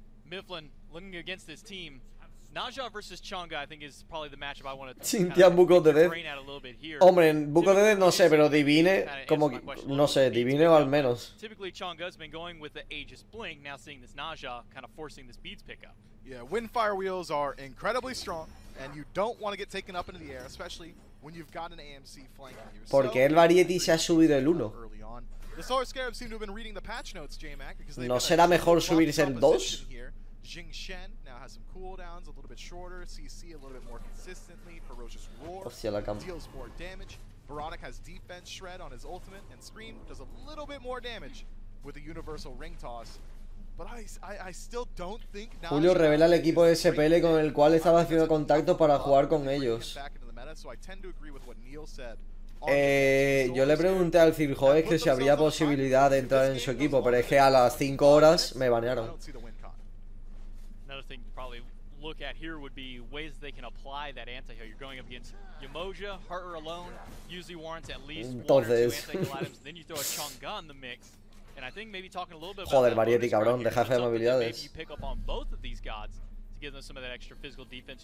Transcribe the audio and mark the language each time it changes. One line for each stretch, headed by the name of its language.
English: Mifflin, looking against this team, Najah versus Chang'e, I think, is probably the matchup I want to...
Spanish: Sintian Buko Dede. Hombre, Buko Dede no sé, pero Divine, como que, no sé, Divine o al menos.
English: Typically, Chang'e has been going with the Aegis Bling, now seeing this Najah kind of forcing this Beads pickup. Yeah, Windfire Wheels are incredibly strong, and you don't want to get taken up into the air, especially when you've got an AMC flanking here.
Spanish: ¿Por qué el Variety se ha subido el 1?
English: The Solar Scarabs seem to have been reading the patch notes, J-Mac, because they've...
Spanish: ¿No será mejor subirse el 2?
English: Jing Shen now has some cooldowns, a little bit shorter, CC a little bit more consistently, Ferocious Roar deals more damage, Baronic has defense shred on his ultimate, and Scream does a little bit more damage. with a universal ring toss. But I still don't think now.
Spanish: Julio revela el equipo de SPL con el cual estaba haciendo contacto para jugar con ellos. Yo le pregunté al Cirjo es que si habría posibilidad de entrar en su equipo, pero es que a las 5 horas me banearon.
English: Another thing to probably look at here would be ways they can apply that anti-heal. You're going up against Yumoja, Harter alone, usually warrants at least one or two anti-heal items, then you throw a Chang'e in the mix. And I think maybe talking a little bit
Spanish: joder,
English: about
Spanish: Marietti, cabrón, deja de hacer movilidades.
English: Maybe you pick up on both of these gods to give them some of that extra physical defense.